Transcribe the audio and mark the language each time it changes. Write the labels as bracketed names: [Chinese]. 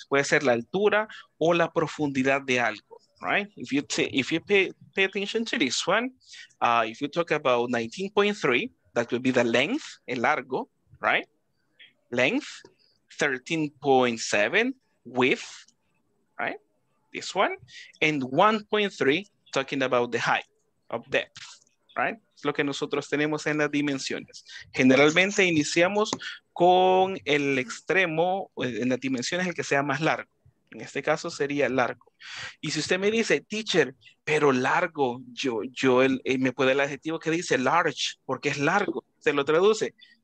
[Spanish] Puede ser la altura o la profundidad de algo, right? [English] If you pay attention to this one, if you talk about 19.3, that would be the length, [Spanish] el largo, [English] right? Length, 13.7, width, right? This one, and 1.3, talking about the height of depth. Right? [Spanish] Es lo que nosotros tenemos en las dimensiones. Generalmente iniciamos con el extremo, en las dimensiones, el que sea más largo. En este caso sería largo. Y si usted me dice, teacher, pero largo, me puede el adjetivo que dice large, porque es largo, se lo traduce.